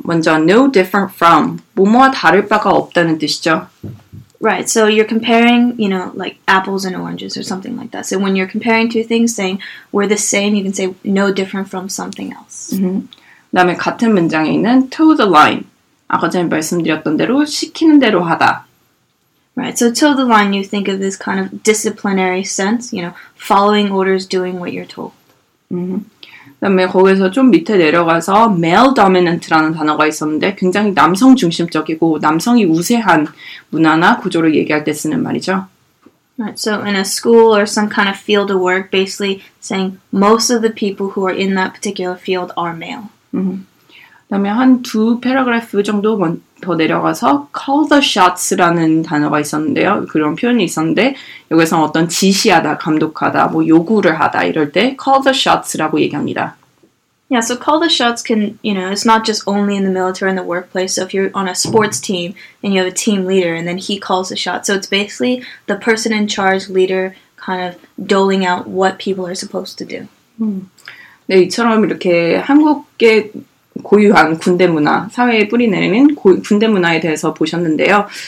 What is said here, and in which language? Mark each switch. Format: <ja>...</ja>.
<ko>먼저,</ko> <en>no different from,</en> <ko>뭐뭐와 다를 바가 없다는 뜻이죠.</ko> <en>Right, so you're comparing, you know, like apples and oranges or something like that. So when you're comparing two things, saying we're the same, you can say no different from something else.</en> <ko>Mm-hmm. 그 다음에 같은 문장에 있는</ko> <en>toe the line.</en> <ko>아까 전에 말씀드렸던 대로 시키는 대로 하다.</ko> <en>Right, so toe the line you think of this kind of disciplinary sense, you know, following orders, doing what you're told. Mm-hmm.</en> <ko>그다음에 거기서 좀 밑에 내려가서</ko> <en>male dominant</en> <ko>라는 단어가 있었는데 굉장히 남성 중심적이고 남성이 우세한 문화나 구조를 얘기할 때 쓰는 말이죠.</ko> <en>Right, so in a school or some kind of field of work, basically saying most of the people who are in that particular field are male.</en> <ko>Mm-hmm. 그다음에 한 두 패러그래프 정도 더 내려가서</ko> <en>call the shots</en> <ko>라는 단어가 있었는데요. 그런 표현이 있었는데 여기서 어떤 지시하다, 감독하다, 뭐 요구를 하다 이럴 때</ko> <en>call the shots</en> <ko>라고 얘기합니다.</ko> <en>Yeah, so call the shots can, you know, it's not just only in the military and the workplace. So if you're on a sports team and you have a team leader and then he calls the shots. So it's basically the person in charge leader kind of doling out what people are supposed to do.</en> <ko>네, 이처럼 이렇게 한국계 고유한 군대 문화, 사회에 뿌리내리는 군대 문화에 대해서 보셨는데요.</ko>